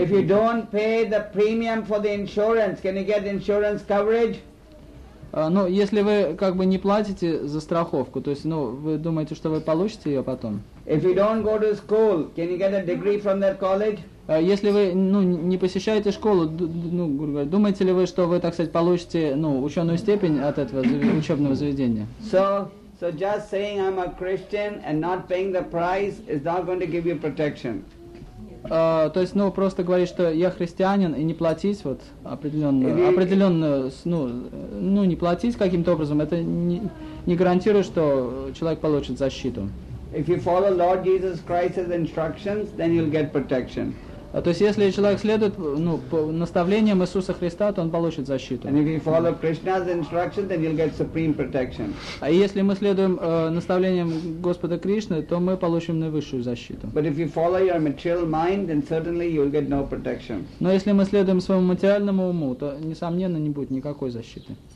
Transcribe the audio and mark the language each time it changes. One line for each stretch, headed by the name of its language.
English: If you don't pay the premium for the insurance, can you get insurance coverage?
Russian: Ну, если вы как бы не платите за страховку, то есть, ну, вы думаете, что вы получите ее потом?
English: If you don't go to school, can you get a degree from that college?
Russian: Если вы, ну, не посещаете школу, ну, грубо говоря, думаете ли вы, что вы, так сказать, получите, ну, ученую степень от этого учебного заведения?
English: So just saying I'm a Christian and not paying the price is not going to give you protection.
Russian: То есть, ну, просто говорить, что я христианин, и не платить вот определенную, не платить каким-то образом, это не гарантирует, что человек получит защиту.
English: If you follow Lord Jesus Christ's instructions, then you'll get protection.
Russian: То есть, если человек следует, ну, по наставлениям Иисуса Христа, то он получит защиту.
English: And if you follow Krishna's instructions, then you'll get supreme protection.
Russian: А если мы следуем наставлениям Господа Кришны, то мы получим наивысшую защиту.
English: But if you follow your material mind, then certainly you'll get no protection.
Russian: Но если мы следуем своему материальному уму, то несомненно не будет никакой защиты.